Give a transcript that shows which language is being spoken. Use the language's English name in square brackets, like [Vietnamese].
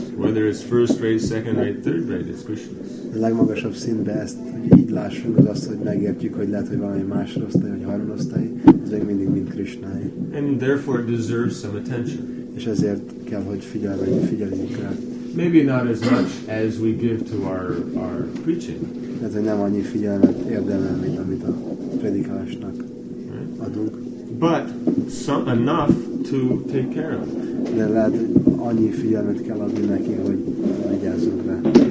[English] Whether it's first grade, second grade, third grade, it's Krishna's. [Hungarian] A legmagasabb szintben ezt, hogy így lássunk, az azt, hogy megértjük, hogy lehet, hogy valami másodosztály, vagy harmadosztály, az még mindig mind Krishna-i. [English] And therefore it deserves some attention. [Hungarian] És ezért kell, hogy figyeljünk rá. [English] Maybe not as much as we give to our preaching. [Hungarian] Ez nem annyi figyelmet érdemel, mint amit a predikálásnak adunk. [English] But enough to take care of. [Hungarian] De lehet, annyi figyelmet kell adni neki, hogy vigyázzon rá.